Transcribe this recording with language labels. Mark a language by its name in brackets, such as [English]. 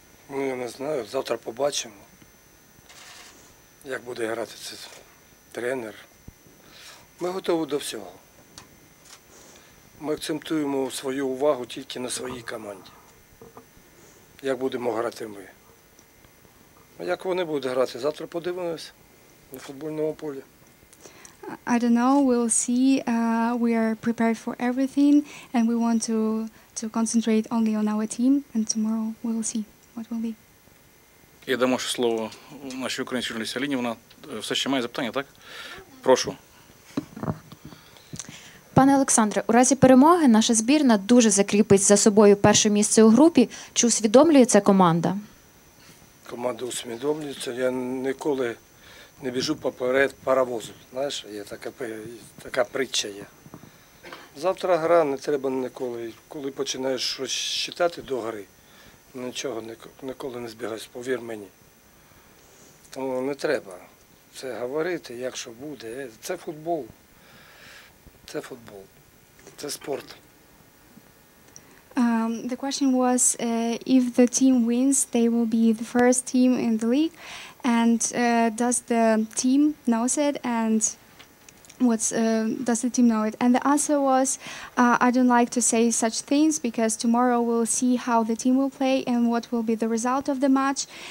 [Ukrainian] Ну, я не знаю, завтра побачимо, як буде грати цей тренер. Ми готові до всього. Ми акцентуємо свою увагу тільки на своїй команді. Як будемо грати ми? Як вони будуть грати? Завтра подивимося на футбольному полі. [English] I don't know, we'll see. We are prepared for everything and we want to concentrate only on our team and tomorrow we'll see what will be. [Ukrainian] Я дам ще слово нашій українській журналістці Аліні, вона все ще має запитання, так? Прошу. Пане Олександре, у разі перемоги наша збірна дуже закріпить за собою перше місце у групі. Чи усвідомлює це команда? Команда усвідомлюється, я ніколи не біжу поперед паровозу, знаєш, є така притча є. Завтра гра, не треба ніколи, коли починаєш щось читати до гри, нічого ніколи не збігаєш, повір мені. Тому не треба це говорити, як що буде, це футбол, це спорт. [English] The question was if the team wins, they will be the first team in the league. And does the team know it? And does the team know it? And the answer was, I don't like to say such things because tomorrow we'll see how the team will play and what will be the result of the match.